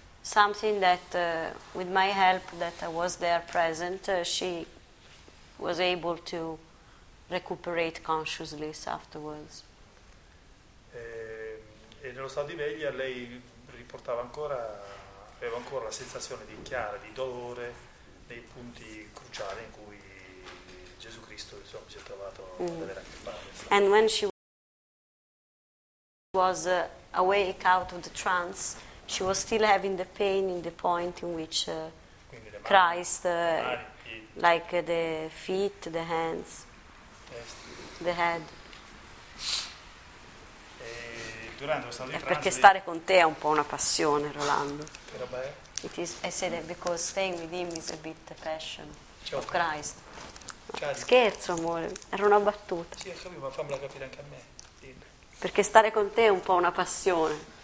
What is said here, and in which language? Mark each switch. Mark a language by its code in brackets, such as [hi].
[en] Something that with my help that I was there present, she was able to recuperate consciousness afterwards. [it] E nello stato di veglia lei riportava ancora, aveva ancora la sensazione di chiara, di dolore nei punti cruciali in cui Gesù Cristo, insomma, si è trovato ad avere a che fare. [en] And when she was awake out of the trance, she was still having the pain in the point in which Christ, like the feet, the hands, the head. [it] Durante lo stato di perché stare con te è un po' una passione, Rolando. [en] It is, I said that because staying with him is a bit the passion of Christ. [it] Scherzo, amore, era una battuta. Sì, capito, ma fammela capire anche a me. Perché stare con te è un po' una passione.